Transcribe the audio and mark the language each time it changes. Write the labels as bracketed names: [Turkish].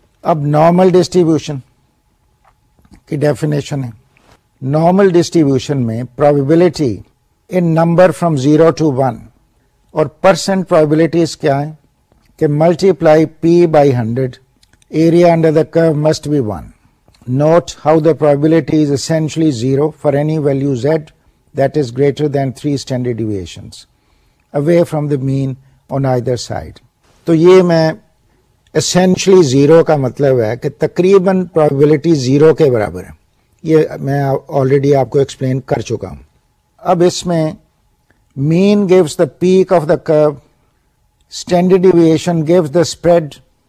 [Urdu] اب normal distribution کی definition ہے. [English] normal distribution میں probability in number from 0 to 1 اور percent probabilities [Urdu] کیا ہیں کہ [English] Multiply P by 100, area under the curve must be 1. Note how the probability is essentially zero for any value z that is greater than 3 standard deviations away from the mean on either side. [Urdu] تو یہ میں essentially zero کا مطلب ہے کہ تقریباً probability zero کے برابر ہے. یہ میں already آپ کو explain کر چکا ہوں. [English] اب اس میں mean gives the peak of the curve, standard deviation gives the spread.